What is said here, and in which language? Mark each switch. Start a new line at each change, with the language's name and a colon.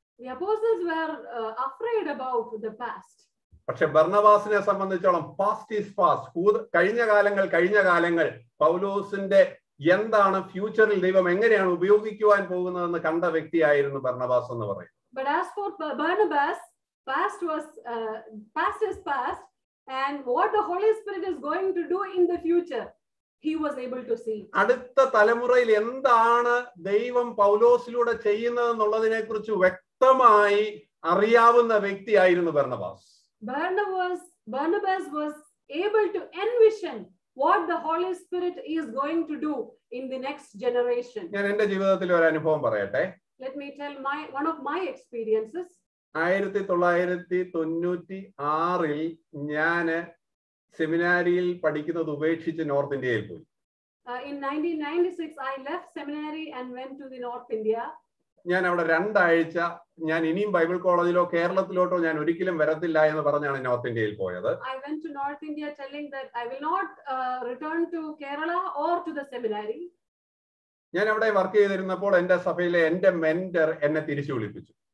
English: The apostles were afraid about the past.
Malayalam: പക്ഷെ ബർണബാസിനെ സംബന്ധിച്ചോളം
English: past is past.
Malayalam: കഴിഞ്ഞ കാലങ്ങൾ കഴിഞ്ഞ കാലങ്ങൾ. പൗലോസിന്റെ എന്താണ് ഫ്യൂച്ചറിൽ ദൈവം എങ്ങനെയാണ് ഉപയോഗിക്കുവാൻ പോകുന്നതെന്ന് കണ്ട വ്യക്തിയായിരുന്നു ബർണബാസ് എന്ന് പറയും.
English: But as for Barnabas, past was past is past and what the Holy Spirit is going to do in the future he was able to see.
Malayalam: അടുത്ത തലമുറയിൽ എന്താണ് ദൈവം പൗലോസിലൂടെ ചെയ്യുന്നതെന്നുള്ളതിനെക്കുറിച്ച് വ്യക്തമായി അറിയാവുന്ന വ്യക്തിയായിരുന്നു Barnabas.
English: Barnabas was able to envision what the Holy Spirit is going to do in the next generation.
Malayalam: ഞാൻ എൻ്റെ ജീവിതത്തിൽ ഒരു അനുഭവം പറയട്ടെ.
English: Let me tell my one of my experiences.
Malayalam: 1996 ഞാൻ സെമിനാരിയിൽ പഠിക്കുന്നത് ഉപേക്ഷിച്ച് നോർത്ത് ഇന്ത്യയിൽ പോയി.
English: In 1996 I left seminary and went to the North India.
Malayalam: ഞാൻ അവിടെ 2 ഞാൻ ഇനിയും ബൈബിൾ കോളേജിലോ കേരളത്തിലോട്ടോ ഞാൻ ഒരിക്കലും വരത്തില്ല എന്ന് പറഞ്ഞാണ് നോർത്ത് ഇന്ത്യയിൽ പോയത്.
English: I went to North India telling that I will not return to Kerala or to the seminary.
Malayalam: ഞാൻ അവിടെ വർക്ക് ചെയ്തിരുന്നപ്പോൾ എന്റെ സഭയിലെ എന്റെ മെന്റർ എന്നെ തിരിച്ചു വിളിപ്പിച്ചു.